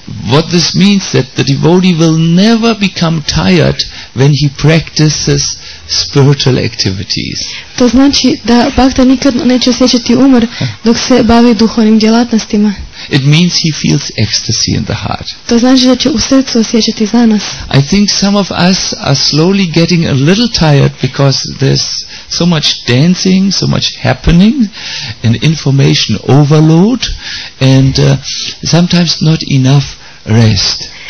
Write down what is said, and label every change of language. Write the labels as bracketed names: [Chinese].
[English] What this means that the devotee will never become tired when he practices spiritual activities. [Croatian] To znači da bhakta nikad neće osjećati umor dok se bavi duhovnim djelatnostima. [English] It means he feels ecstasy in the heart. [Croatian] To znači da će u srcu osjećati zanos. [English] I think some of us are slowly getting a little tired because there's so much dancing, so much happening, and information overload, and sometimes not enough rest.